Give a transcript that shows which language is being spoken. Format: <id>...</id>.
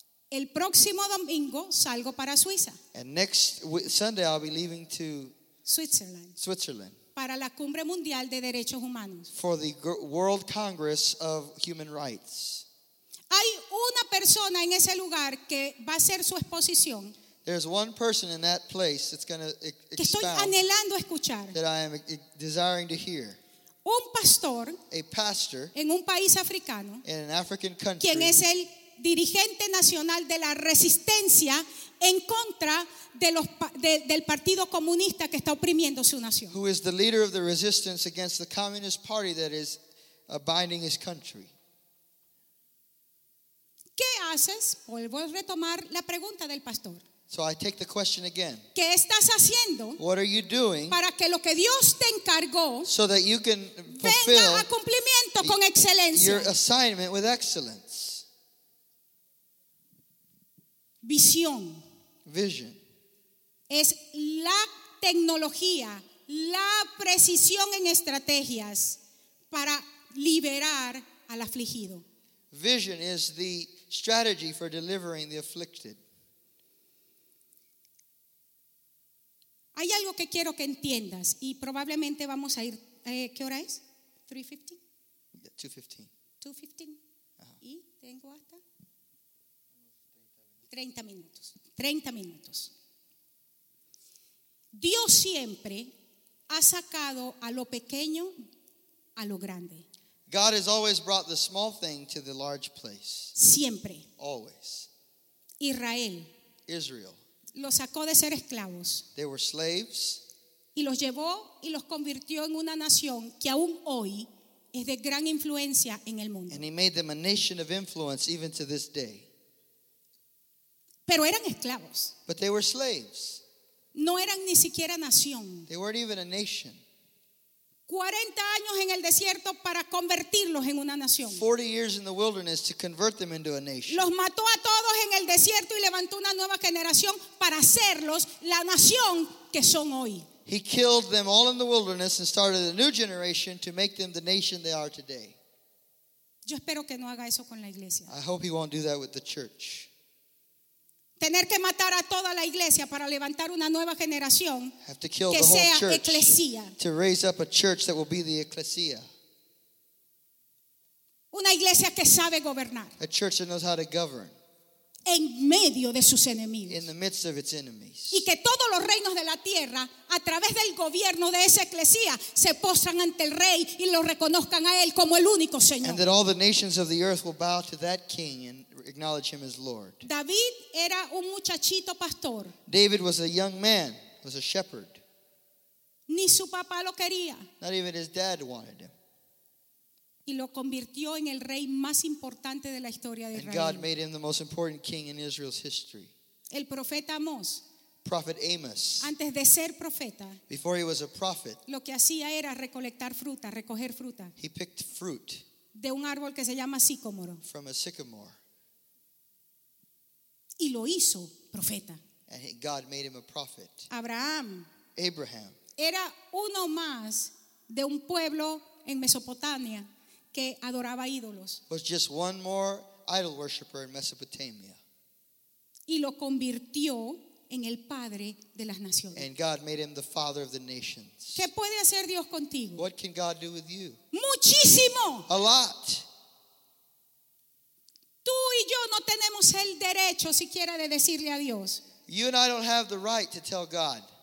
<es>El próximo domingo salgo para Suiza.</es> <en>And next Sunday I'll be leaving to</en> <es>Switzerland. Para la cumbre mundial de derechos humanos.</es> <en>For the World Congress of Human Rights.</en> <es>Hay una persona en ese lugar que va a hacer su exposición.</es> <en>There's one person in that place that's going to expound.</en> <es>Que estoy anhelando escuchar.</es> <en>That I am desiring to hear.</en> <es>Un pastor.</es> <en>A pastor.</en> <es>En un país africano.</es> <en>In an African country.</en> <es>Quien es el dirigente nacional de la resistencia en contra de los del partido comunista que está oprimiendo su nación.</es> <en>Who is the leader of the resistance against the communist party that is binding his country?</en> <es>¿Qué haces? Vuelvo a retomar la pregunta del pastor.</es> <en>So I take the question again.</en> <es>¿Qué estás haciendo?</es> <en>What are you doing?</en> <es>Para que lo que Dios te encargó,</es> <en>so that you can fulfill,</en> <es>venga a cumplimiento con excelencia.</es> <en>Your assignment with excellence.</en> <es>Visión.</es> <en>Vision.</en> <es>Es la tecnología, la precisión en estrategias para liberar al afligido.</es> <en>Vision is the strategy for delivering the afflicted.</en> <es>Hay algo que quiero que entiendas y probablemente vamos a ir, ¿qué hora es?</es> <en>3:15? Yeah, 2:15.</en> <es>2:15. Uh-huh. Y tengo hasta 30 minutos. Dios siempre ha sacado a lo pequeño a lo grande.</es> <en>God has always brought the small thing to the large place.</en> <es>Siempre.</es> <en>Always.</en> <es>Israel.</es> <en>Israel.</en> <es>Los sacó de ser esclavos.</es> <en>They were slaves.</en> <es>Y los llevó y los convirtió en una nación que aún hoy es de gran influencia en el mundo.</es> <en>And he made them a nation of influence even to this day.</en> <es>Pero eran esclavos.</es> <en>But they were slaves.</en> <es>No eran ni siquiera nación.</es> <en>They weren't even a nation.</en> <es>40 años en el desierto para convertirlos en una nación.</es> <en>40 years in the wilderness to convert them into a nation.</en> <es>Los mató a todos en el desierto y levantó una nueva generación para hacerlos la nación que son hoy.</es> <en>He killed them all in the wilderness and started a new generation to make them the nation they are today.</en> <es>Yo espero que no haga eso con la iglesia.</es> <en>I hope he won't do that with the church.</en> <es>Tener que matar a toda la iglesia para levantar una nueva generación que sea eclesía.</es> <en>To raise up a church that will be the ecclesia.</en> <es>Una iglesia que sabe gobernar.</es> <en>A church that knows how to govern.</en> <es>En medio de sus enemigos.</es> <en>In the midst of its enemies.</en> <es>Y que todos los reinos de la tierra, a través del gobierno de esa eclesía, se postran ante el rey y lo reconozcan a él como el único Señor.</es> <en>And that all the nations of the earth will bow to that king and acknowledge him as Lord.</en> <es>David era un muchachito pastor.</es> <en>David was a young man, was a shepherd.</en> <es>Ni su papá lo quería.</es> <en>Not even his dad wanted him.</en> <es>Y lo convirtió en el rey más importante de la historia de Israel.</es> <en>And God made him the most important king in Israel's history.</en> <es>El profeta Amós.</es> <en>Prophet Amos.</en> <es>Antes de ser profeta.</es> <en>Before he was a prophet.</en> <es>Lo que hacía era recolectar fruta, recoger fruta.</es> <en>He picked fruit.</en> <es>De un árbol que se llama sicómoro.</es> <en>From a sycamore.</en> <es>Y lo hizo profeta.</es> <en>And God made him a prophet.</en> <es>Abraham.</es> <en>Abraham.</en> <es>Era uno más de un pueblo en Mesopotamia que adoraba ídolos.</es> <en>Was just one more idol worshiper in Mesopotamia.</en> <es>Y lo convirtió en el padre de las naciones.</es> <en>And God made him the father of the nations.</en> <es>¿Qué puede hacer Dios contigo?</es> <en>What can God do with you?</en> <es>Muchísimo.</es> <en>A lot.</en> <es>Tú y yo no tenemos el derecho siquiera de decirle a Dios.</es> <en>You and I don't have the right to tell God.</en>